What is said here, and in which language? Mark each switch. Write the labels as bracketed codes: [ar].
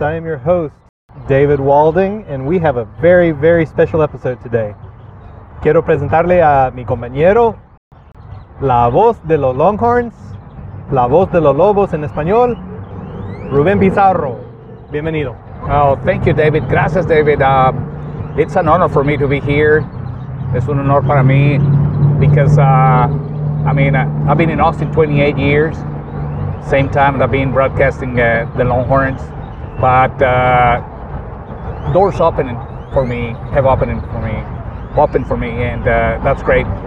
[en] I am your host, David Walding, and we have a very, very special episode today. [es] Quiero presentarle a mi compañero, la voz de los Longhorns, la voz de los Lobos en español, Ruben Pizarro. Bienvenido. [en] Oh, thank you, David. [es] Gracias, David. [en] It's an honor for me to be here. [es] Es un honor para mí [en] because, I've been in Austin 28 years. Same time that I've been broadcasting the Longhorns, but doors opening for me, opened for me, and that's great.